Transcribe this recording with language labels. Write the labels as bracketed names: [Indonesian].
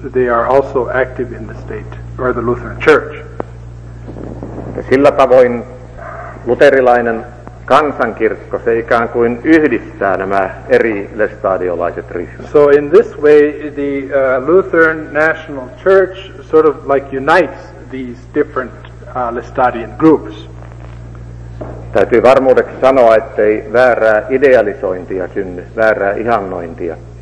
[English] they are also active in the state or the Lutheran Church. [Finnish] Sillä tavoin luterilainen kansankirkko, se ikään kuin yhdistää nämä eri lestadiolaiset ryhmät. [English] So in this way, the Lutheran National Church sort of like unites these different Lestadian groups. [Finnish] Täytyy varmuudeksi sanoa, ettei väärää idealisointia synny, väärää ihannointia.